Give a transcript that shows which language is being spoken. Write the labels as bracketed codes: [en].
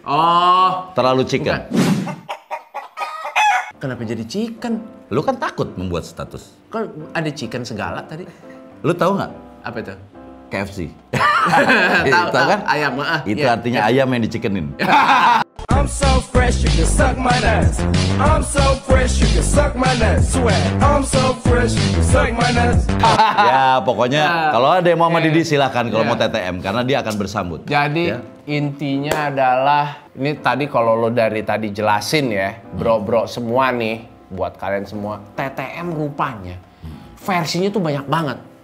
[id] Oh, terlalu chicken. Kenapa jadi chicken? Lu kan takut membuat status. Kan ada chicken segala tadi. Lu tahu enggak? Apa itu? KFC. Tahu kan? Ayam, maaf. Itu ya, artinya ya, ayam yang dicikenin. [en] I'm so fresh you can suck my nuts. I'm so fresh you can suck my nuts. Sweat. I'm so fresh you can suck my nuts. [id] Ya, pokoknya kalau ada yang mau sama Didi silakan kalau mau TTM karena dia akan bersambut. Jadi intinya adalah ini tadi kalau lo dari tadi jelasin ya, bro-bro semua nih buat kalian semua, TTM rupanya versinya tuh banyak banget.